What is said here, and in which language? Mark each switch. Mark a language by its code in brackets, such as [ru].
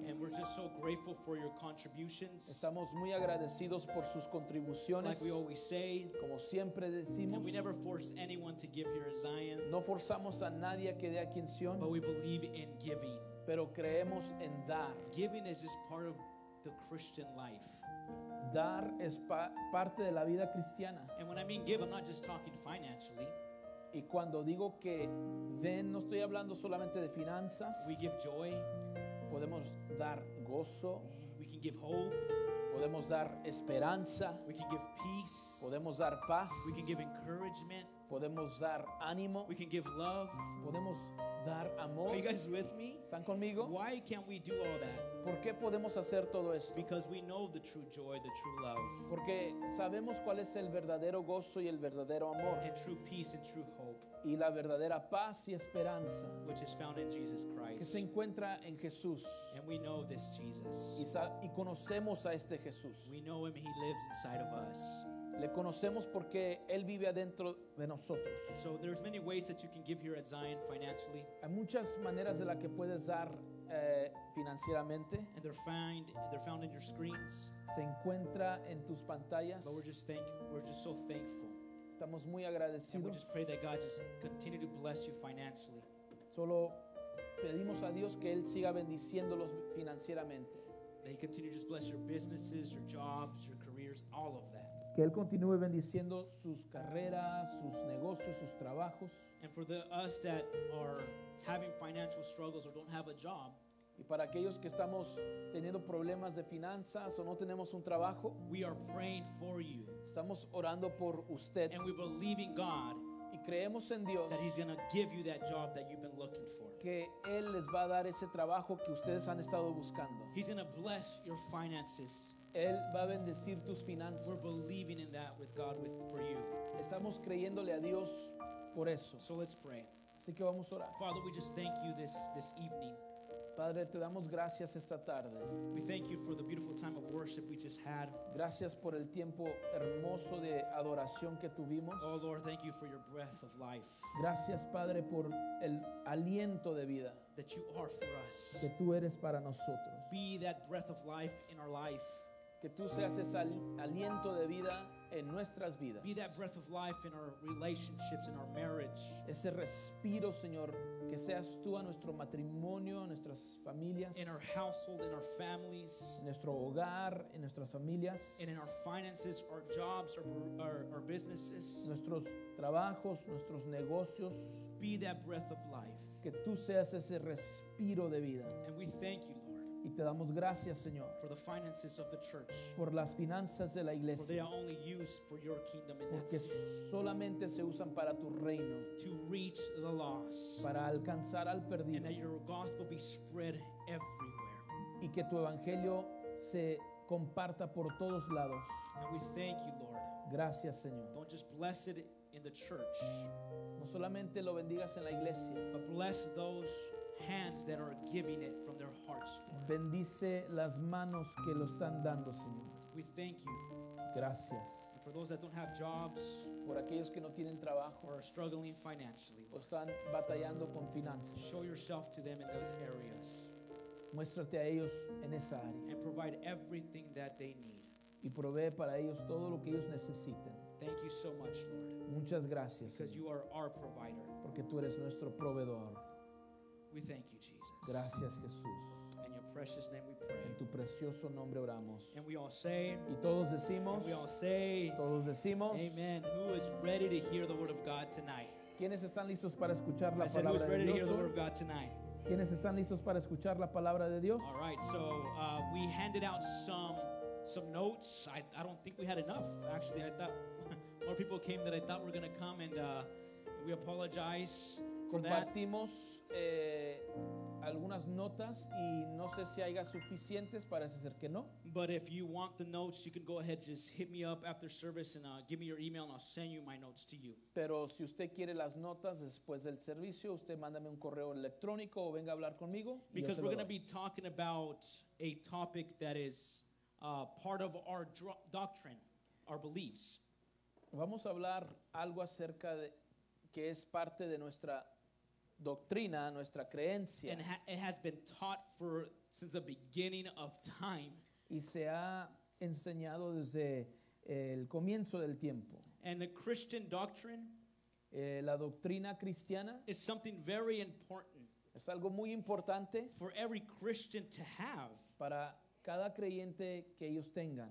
[en] And we're just so grateful for your contributions. [es] Estamos muy agradecidos por sus contribuciones. [en] Like we always say, [es] como siempre decimos, [en] and we never force anyone to give here in Zion. [es] No forzamos a nadie a que dé aquí en Sion. [en] But we believe in giving. [es] Pero creemos en dar. [en] Giving is just part of the Christian life. [es] Dar es parte de la vida cristiana. [en] And when I mean give, I'm not just talking financially. [es] Y cuando digo que den, no estoy hablando solamente de finanzas. [en] We give joy. [es] Podemos dar gozo. [en] We can give hope. [es] Podemos dar esperanza. [en] We can give peace. [es] Podemos dar paz. [en] We can give encouragement. [es] Podemos dar ánimo. [en] We can give love. [es] Podemos dar amor. [en] Are you guys with me? [es] ¿Están conmigo? [en] Why can't we do all that? [es] ¿Por qué podemos hacer todo esto? [en] Because we know the true joy, the true love. [es] Porque sabemos cuál es el verdadero gozo y el verdadero amor. [en] And true peace and true hope. [es] Y la verdadera paz y esperanza. [en] Which is found in Jesus Christ. [es] Que se encuentra en Jesús. [en] And we know this Jesus. [es] Y conocemos a este Jesús. [en] We know him, he lives inside of us. [es] Le conocemos porque Él vive adentro de nosotros. [en] So there's many ways that you can give here at Zion financially. [es] Hay muchas maneras de la que puedes dar financieramente. [en] And they're found in your screens. [es] Se encuentra en tus pantallas. [en] But we're just so thankful. [es] Estamos muy agradecidos. [en] And we just pray that God just continue to bless you financially. [es] Solo pedimos a Dios que Él siga bendiciéndolos financieramente. [en] That He continue to just bless your businesses, your jobs, your careers, all of that. [es] Que Él continúe bendiciendo sus carreras, sus negocios, sus trabajos. [en] And for the us that are having financial struggles or don't have a job. [es] Y para aquellos que estamos teniendo problemas de finanzas o no tenemos un trabajo. [en] We are praying for you. [es] Estamos orando por usted. [en] And we believe in God. [es] Y creemos en Dios. [en] That He's going to give you that job that you've been looking for. [es] Que Él les va a dar ese trabajo que ustedes han estado buscando. [en] He's going to bless your finances. [es] Él va a bendecir tus finanzas. [en] We're believing in that with God for you. [es] Estamos creyéndole a Dios por eso. [en] So let's pray. [es] Así que vamos a orar. [en] Father, we just thank you this evening. [es] Padre, te damos gracias esta tarde. [en] We thank you for the beautiful time of worship we just had. [es] Gracias por el tiempo hermoso de adoración que tuvimos. [en] Oh Lord, thank you for your breath of life. [es] Gracias, Padre, por el aliento de vida. [en] That you are for us. [es] Que tú eres para nosotros. [en] Be that breath of life in our life. [es] Que tú seas ese aliento de vida en nuestras vidas. [en] Be that breath of life in our relationships, in our marriage. [es] Ese respiro, Señor, que seas tú a nuestro matrimonio, a nuestras familias. [en] In our household, in our families. [es] En nuestro hogar, en nuestras familias. [en] And in our finances, our jobs, our businesses. [es] Nuestros trabajos, nuestros negocios. [en] Be that breath of life. [es] Que tú seas ese respiro de vida. [en] And we thank you, Lord. [es] Y te damos gracias, Señor, [en] for the finances of the church, [es] por las finanzas de la iglesia, [en] for they are only used for your kingdom in [es] porque [en] that sense, [es] solamente se usan para tu reino, [en] to reach the lost, [es] para alcanzar al perdido, [en] and that your gospel be spread everywhere, [es] y que tu evangelio se comparta por todos lados. [en] And we thank you, Lord. [es] Gracias, Señor. [en] Don't just bless it in the church, [es] no solamente lo bendigas en la iglesia, [en] but bless those hands that are giving it from their hearts. [es] Bendice las manos que lo están dando, Señor. [en] We thank you. [es] Gracias. [en] And for those that don't have jobs, [es] por aquellos que no tienen trabajo, [en] or are struggling financially, [es] o están batallando con finanzas, [en] show yourself to them in those areas. [es] Muéstrate a ellos en esa área. [en] And provide everything that they need. [es] Y provee para ellos todo lo que ellos necesiten. [en] Thank you so much, Lord. [es] Muchas gracias. [en] Because [es] Señor, [en] you are our provider. [es] Porque tú eres nuestro proveedor. [en] We thank you, Jesus. [es] Gracias, Jesús. [en] In your precious name we pray. [es] En tu precioso nombre oramos. [en] And we all say. [es] Y todos decimos. [en] We all say. [es] Todos decimos. [en] Amen. Who is ready to hear the word of God tonight? [es] ¿Quiénes están listos para escuchar la palabra de Dios? [en] Who's ready to hear the word of God tonight? [es] ¿Quiénes están listos para escuchar la palabra de Dios? [en] All right. So we handed out some notes. I don't think we had enough. Actually, I thought more people came than I thought were going to come, and We apologize for [es] Compartimos [en] that. [es] Algunas notas y no sé si haya suficientes, parece ser que no. [en] But if you want the notes, you can go ahead, just hit me up after service and give me your email and I'll send you my notes to you. [es] Pero si usted quiere las notas después del servicio, usted mándame un correo electrónico o venga a hablar conmigo. [en] Because we're going to be talking about a topic that is part of our doctrine, our beliefs. [es] Vamos a hablar algo acerca de que es parte de nuestra doctrina, nuestra creencia. [en] And it has been taught for since the beginning of time. [es] Y se ha enseñado desde el comienzo del tiempo. [en] And the Christian doctrine, [es] la doctrina cristiana, [en] is something very important. [es] Es algo muy importante [en] for every Christian to have. [es] Para cada creyente que ellos tengan.